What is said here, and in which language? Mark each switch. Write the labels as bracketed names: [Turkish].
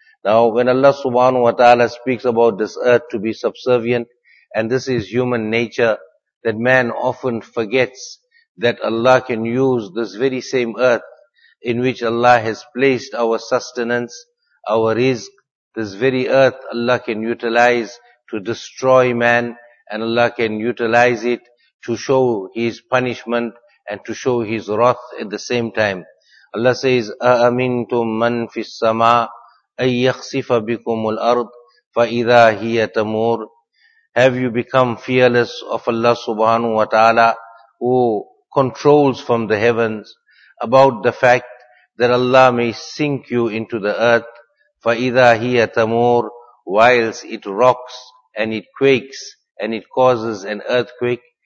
[English] Now when Allah subhanahu wa ta'ala speaks about this earth to be subservient, and this is human nature, that man often forgets that Allah can use this very same earth in which Allah has placed our sustenance, our rizq. This very earth Allah can utilize to destroy man, and Allah can utilize it to show His punishment and to show His wrath at the same time. Allah says, [Arabic] أَأَمِنْتُمْ مَنْ فِي السَّمَاءِ أَنْ يَخْسِفَ بِكُمُ الْأَرْضِ فَإِذَا هِيَ تَمُورِ. [English] Have you become fearless of Allah subhanahu wa ta'ala, who controls from the heavens, about the fact that Allah may sink you into the earth, [Arabic] فَإِذَا هِيَ تَمُورِ, [English] whilst it rocks and it quakes and it causes an earthquake?